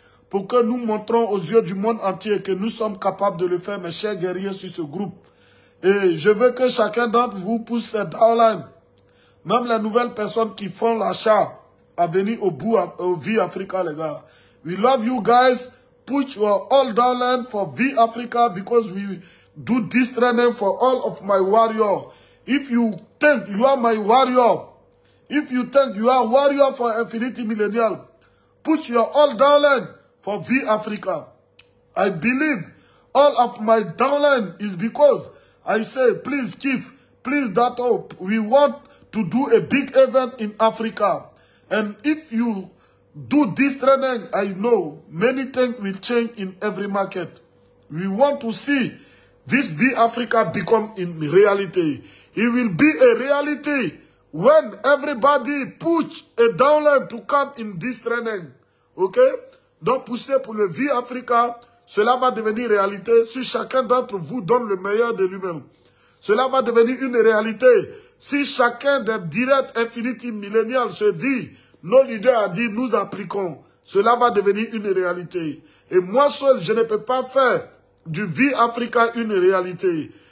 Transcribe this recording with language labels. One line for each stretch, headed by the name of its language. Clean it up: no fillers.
French: Pour que nous montrons aux yeux du monde entier que nous sommes capables de le faire, mes chers guerriers, sur ce groupe. Et je veux que chacun d'entre vous pousse cette downline. Même les nouvelles personnes qui font l'achat à venir au bout au Vie Africa, les gars.
English: We love you guys. Put your all downline for Vie Africa because we do this training for all of my warriors. If you think you are my warrior, if you think you are warrior for Infinity Millennial, put your all downline for Vie Africa. I believe all of my downline is because I say, please Keith, please Dato, we want to do a big event in Africa. And if you do this training, I know many things will change in every market. We want to see this Vie Africa become in reality. It will be a reality when everybody puts a downline to come in this training. Okay?
French: Donc, poussez pour le Vie Africa, cela va devenir réalité si chacun d'entre vous donne le meilleur de lui-même. Cela va devenir une réalité si chacun des directs Infinity Millennial se dit, nos leaders ont dit, nous appliquons. Cela va devenir une réalité. Et moi seul, je ne peux pas faire du Vie Africa une réalité.